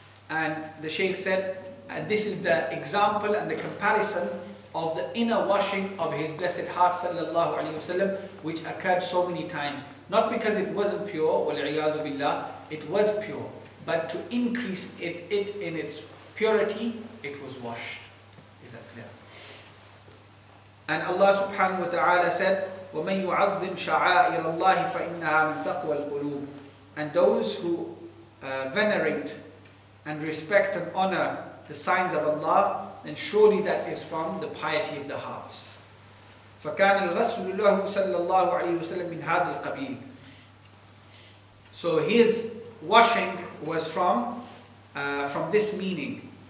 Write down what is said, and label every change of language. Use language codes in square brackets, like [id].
[en] And the Shaykh said, and this is the example and the comparison of the inner washing of His Blessed Heart sallallahu alayhi wa sallam, which occurred so many times. Not because it wasn't pure, wal-iyazu billah, it was pure. But to increase it in its purity, it was washed. Is that clear? And Allah subhanahu wa ta'ala said, [ar] وَمَنْ يُعَظِّمْ شَعَائِرَ اللَّهِ فَإِنَّهَا مِنْ تَقْوَى الْقُلُوبِ. [en] And those who venerate and respect and honor the signs of Allah, then surely that is from the piety of the hearts. [ar] فَكَانَ الْغَسْلُ لَهُ صَلَّى اللَّهُ عَلَيْهُ وَسَلَّمْ مِنْ هَذِي الْقَبِيلِ. [en] So his washing was from this meaning.